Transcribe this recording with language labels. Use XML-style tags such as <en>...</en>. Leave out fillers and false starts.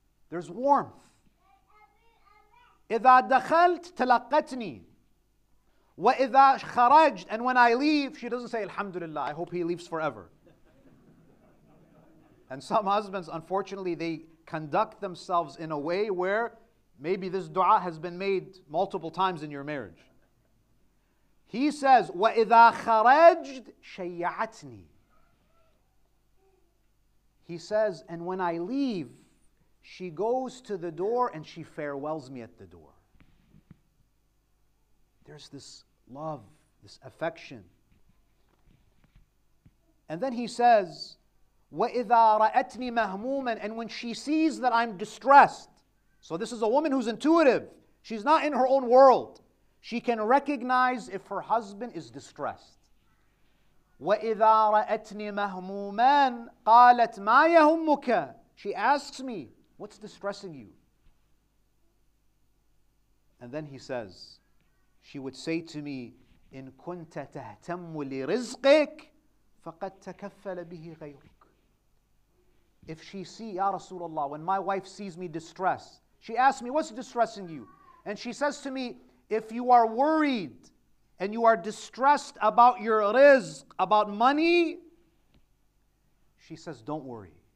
<en>There's warmth.</en> <ar>إِذَا دَخَلْتْ تَلَقَّتْنِي وَإِذَا خَرَجْتْ.</ar> <en>And when I leave, she doesn't say, Alhamdulillah, I hope he leaves forever. And some husbands, unfortunately, they conduct themselves in a way where maybe this dua has been made multiple times in your marriage. He says,</en> <ar>وَإِذَا خَرَجْتْ شَيَّعَتْنِي.</ar> <en>He says, and when I leave, she goes to the door and she farewells me at the door. There's this love, this affection. And then he says,</en> <ar>وَإِذَا رَأَتْنِي مَهْمُومًا.</ar> <en>And when she sees that I'm distressed. So this is a woman who's intuitive. She's not in her own world. She can recognize if her husband is distressed.</en> <ar>وَإِذَا رَأَتْنِي مَهْمُومًا قَالَتْ مَا يَهُمُّكَ.</ar> <en>She asks me, what's distressing you? And then he says, she would say to me,</en> <ar>إن كنت تهتم لرزقك فقد تكفل به غيرك.</ar> <en>If she see, Ya Rasulullah, when my wife sees me distressed, she asks me, what's distressing you? And she says to me, if you are worried and you are distressed about your rizq, about money, she says, don't worry.</en>